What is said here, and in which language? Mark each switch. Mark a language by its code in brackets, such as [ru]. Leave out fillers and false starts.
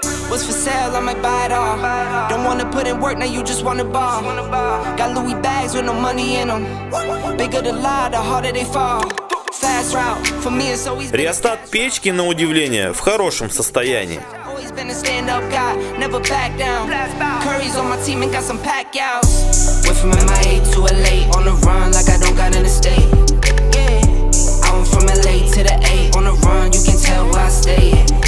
[en] Was for sale, I might buy it all. Don't wanna put in work, now you just wanna ball. Got Louis bags with no money in them. Bigger the lie, the harder they fall. Fast route, for me it's always been. [ru] Реостат печки, на удивление, в хорошем состоянии. [en] Always been a stand-up guy, never back down. Curry's on my team and got some pack outs. Went from MIA to LA, on the run like I don't got an estate. Yeah, I went from LA to the A, on the run, you can tell where I stay.